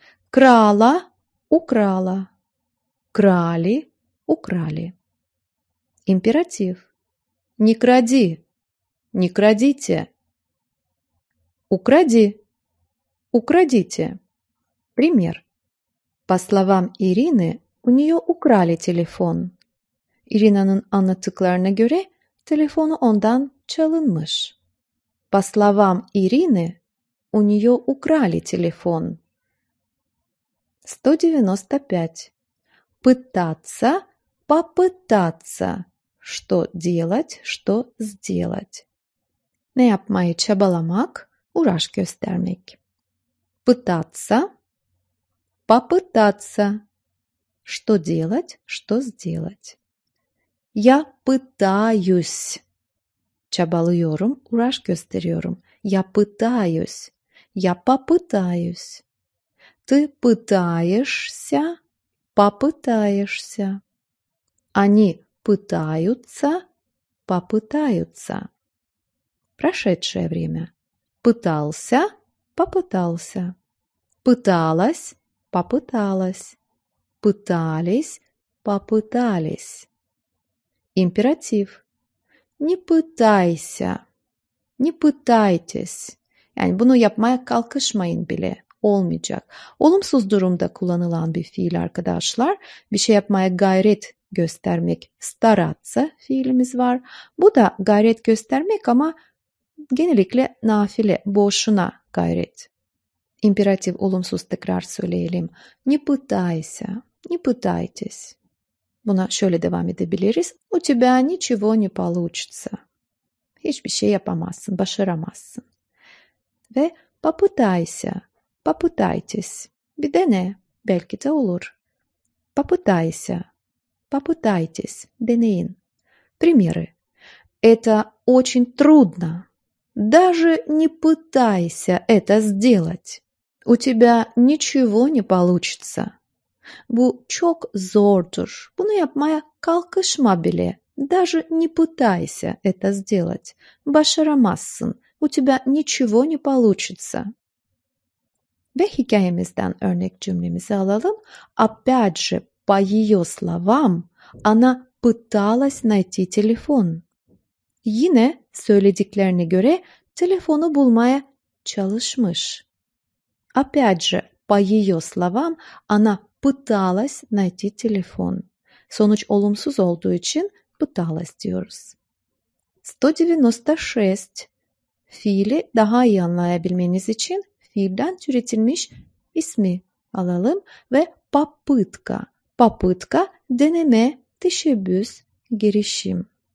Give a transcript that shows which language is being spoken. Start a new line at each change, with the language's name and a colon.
Russian: Крала, украла. Крали, украли. Императив. Не кради. Не крадите. Укради. Украдите. Пример. По словам Ирины, у нее украли телефон.
Turkish: Ирина'nın anlattıklarına göre телефону ondan çalınmış.
Russian: По словам Ирины, у нее украли телефон. 195. Пытаться, попытаться. Что делать, что сделать?
Turkish: Ne yapmayı çabalamak, uğraş göstermek.
Russian: Пытаться, попытаться. Что делать, что сделать? Я пытаюсь.
Turkish: Çabalıyorum, uğraş gösteriyorum.
Russian: Я пытаюсь. Я попытаюсь. Ты пытаешься, попытаешься. Они пытаются, попытаются. Прошедшее время. Пытался, попытался. Пыталась, попыталась. Пытались, попытались. Императив. Не пытайся, не пытайтесь.
Turkish: Yani bunu yapmaya kalkışmayın bile. olmayacak. Olumsuz durumda kullanılan bir fiil arkadaşlar. Bir şey yapmaya gayret göstermek, staraться fiilimiz var. Bu da gayret göstermek ama genellikle nafile, boşuna gayret. İmperatif olumsuz, tekrar söyleyelim.
Russian: Не пытайся, не пытайтесь.
Turkish: Buna şöyle devam edebiliriz.
Russian: У тебя ничего не получится.
Turkish: Hiçbir şey yapamazsın, başaramazsın.
Russian: Ve попытайся, попытайтесь.
Turkish: Bir dene, belki de olur.
Russian: Попытайся, попытайтесь.
Turkish: Deneyin.
Russian: Примеры. Это очень трудно. Даже не пытайся это сделать. У тебя ничего не получится.
Turkish: Bu çok zordur. Bunu yapmaya kalkışma bile.
Russian: Даже не пытайся это сделать.
Turkish: Başaramazsın.
Russian: У тебя ничего не получится.
Turkish: Ve hikayemizden örnek cümlemizi alalım.
Russian: Опять же, по ее словам, она пыталась найти телефон.
Turkish: Yine söylediklerine göre telefonu bulmaya çalışmış.
Russian: Опять же, по ее словам, она пыталась найти телефон.
Turkish: Sonuç olumsuz olduğu için пыталась diyoruz. 196. Fiili daha iyi anlayabilmeniz için fiilden türetilmiş ismi alalım.
Russian: Ve попытка.
Turkish: Попытка, deneme, teşebbüs, girişim.